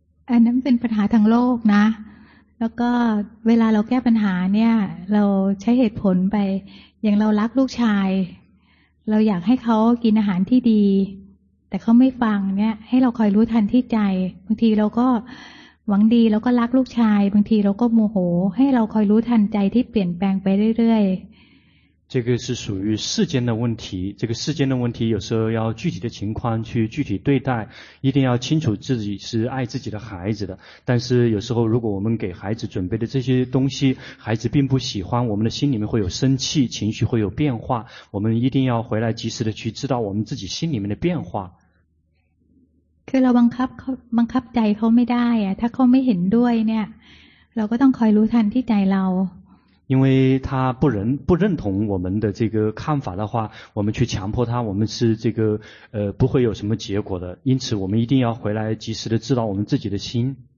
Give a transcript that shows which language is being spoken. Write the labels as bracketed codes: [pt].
[th] อันนั้นเป็นปัญหาทางโลกนะแล้วก็เวลาเราแก้ปัญหาเนี่ยเราใช้เหตุผลไปอย่างเรารักลูกชายเราอยากให้เขากินอาหารที่ดีแต่เขาไม่ฟังเนี่ยให้เราคอยรู้ทันที่ใจบางทีเราก็หวังดีแล้วก็รักลูกชายบางทีเราก็โมโหให้เราคอยรู้ทันใจที่เปลี่ยนแปลงไปเรื่อยๆ [zh] 这个是属于世间的问题这个世间的问题有时候要具体的情况去具体对待一定要清楚自己是爱自己的孩子的但是有时候如果我们给孩子准备的这些东西孩子并不喜欢我们的心里面会有生气情绪会有变化我们一定要回来及时的去知道我们自己心里面的变化 [th] คือเราบังคับใจเขาไม่ได้อ่ะถ้าเขาไม่เห็นด้วยเนี่ยเราก็ต้องคอยรู้ทันที่ใจเรา [zh] 因为他不认同我们的这个看法的话我们去强迫他我们是这个不会有什么结果的因此我们一定要回来及时的知道我们自己的心